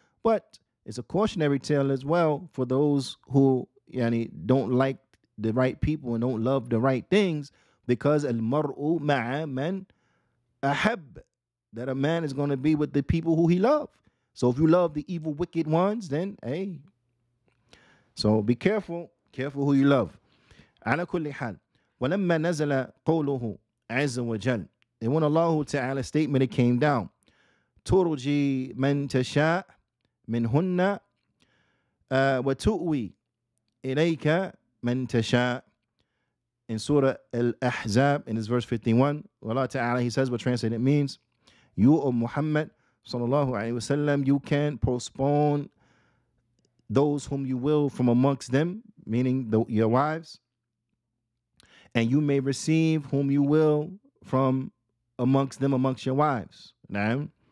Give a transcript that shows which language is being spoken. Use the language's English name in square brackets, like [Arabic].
[English] But it's a cautionary tale as well for those who don't like the right people and don't love the right things, because [Arabic] al-mar'u ma'a man ahab, [English] that a man is going to be with the people who he loves. So if you love the evil, wicked ones, then, hey. So be careful. Careful who you love. [Arabic] على كل حال. ولما نزل قوله عز وجل. [English] And when Allah Ta'ala statement, it came down. [Arabic] ترجي من تشاء منهن وتؤوي إليك من تشاء. [English] In Surah Al-Ahzab, in this verse 51, Allah Ta'ala, he says, what translated means, you, O Muhammad sallallahu alayhi wa sallam, you can postpone those whom you will from amongst them, meaning your wives, and you may receive whom you will from amongst them, amongst your wives. Na'am.